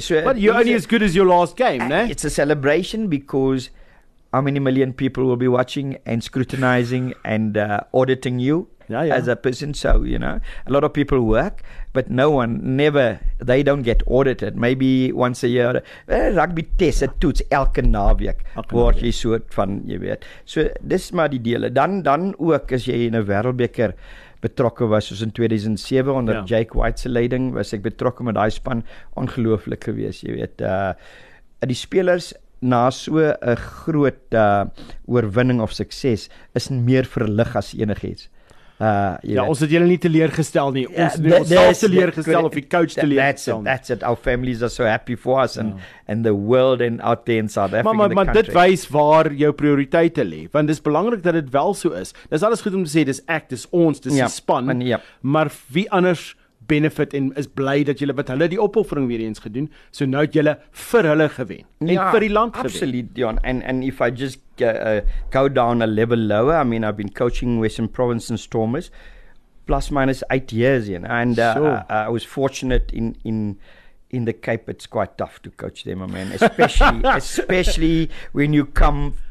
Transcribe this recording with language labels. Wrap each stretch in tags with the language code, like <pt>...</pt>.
<en>So, but you're only as good as your last game, né? It's a celebration because how many million people will be watching and scrutinizing and auditing you as a person. So, you know, a lot of people work, but no one, never, they don't get audited. Maybe once a year, rugby test, yeah.</en> <af>toets, elke naweek, word jy soort van, jy weet. So, dis maar die dele. Dan ook, as jy in 'n wêreldbeker betrokke was, soos in 2007, onder Jake White se leiding, was ek betrokke met daai span, ongelooflik gewees, jy weet. Die spelers, na so 'n groot oorwinning of sukses is meer verlig as enigiets. Ons het julle nie teleurgestel nie. Ons is teleurgestel of die coach teleurgestel.</af> <en>That's it. Our families are so happy for us and the world and out there in South Africa.</en> <af>Maar dit wys waar jou prioriteite lê, want dis belangrik dat dit wel so is. Dis alles goed om te sê dis ek, dis ons, dis die span. Maar wie anders benefit en is bly dat julle wat hulle die opoffering weer eens gedoen. So nou het julle vir hulle gewen en vir die land gewen.</af> <en>Absoluut Dion and if I just go down a level lower, I mean I've been coaching Western Province and Stormers plus minus 8 years in and I was fortunate in the Cape it's quite tough to coach them, I mean especially when you come</en>